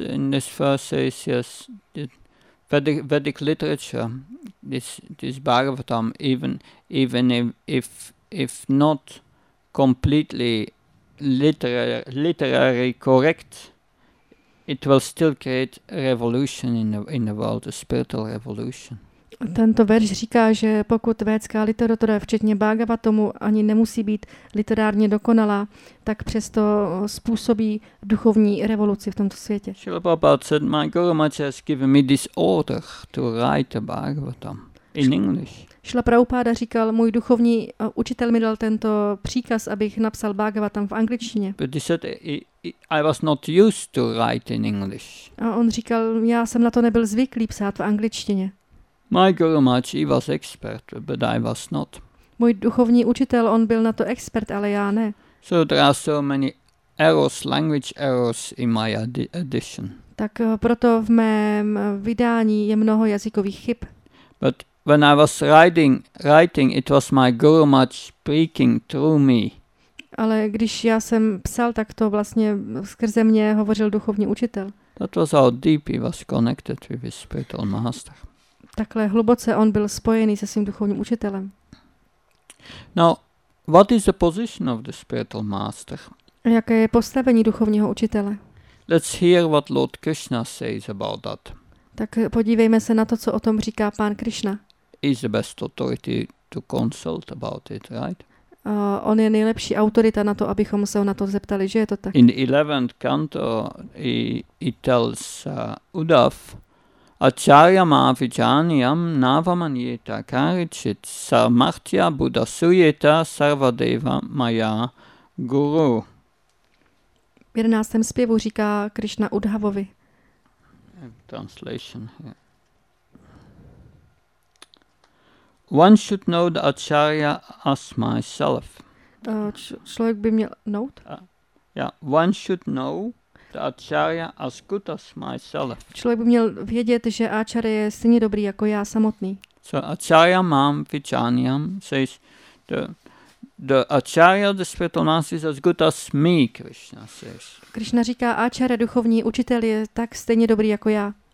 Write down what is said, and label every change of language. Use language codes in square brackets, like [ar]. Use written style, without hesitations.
[en] This verse says, yes, Vedic literature, this Bhagavatam, even if not completely literary correct, it will still create a revolution in the world, a spiritual revolution. [cs] Tento verš říká, že pokud védská literatura, včetně Bhagavatamu, ani nemusí být literárně dokonalá, tak přesto způsobí duchovní revoluci v tomto světě. [en] Srila Prabhupada said, my Guru Maharaj has given me this order to write a Bhagavatam in English. [cs] Srila Prabhupada říkal, můj duchovní učitel mi dal tento příkaz, abych napsal Bhagavatam v angličtině. [en] But he said, I was not used to write in English. [cs] A on říkal, já jsem na to nebyl zvyklý psát v angličtině. [en] My Guru Maharaj, he was expert, but I was not. [cs] Můj duchovní učitel, on byl na to expert, ale já ne. [en] So there are so many errors, language errors in my edition. [cs] Tak proto v mém vydání je mnoho jazykových chyb. [en] But when I was writing, it was my Guru Maharaj speaking through me. [cs] Ale když já jsem psal, tak to vlastně skrze mě hovořil duchovní učitel. [en] That was how deep he was connected with his spiritual master. [cs] Takhle hluboce on byl spojený se svým duchovním učitelem. [en] Now, what is the position of the spiritual master? [cs] Jaké je postavení duchovního učitele? [en] Let's hear what Lord Krishna says about that. [cs] Tak podívejme se na to, co o tom říká pán Krishna. [en] He's the best authority to consult about it, right? [cs] On je nejlepší autorita na to, abychom se ho na to zeptali, že je to tak. [en] In the 11th canto, he tells Uddhav, [sa] Acharya mavijaniyam navamanyeta karichit sarmartya buddha sujeta sarvadeva maya guru. [cs] V 11. zpěvu říká Krishna Udhavovi. [en] Translation here. One should know the Acharya as myself. [cs] Člověk by měl know? [en] One should know the Acharya as good as myself. [cs] Člověk by měl vědět, že Acharya je stejně dobrý jako já samotný. [en] So [sa] Acharya mam vijaniyam [en] says the Acharya, the spiritual master, is as good as me, Krishna says. [cs] Krishna říká, Acharya, duchovní učitel, je tak stejně dobrý jako já.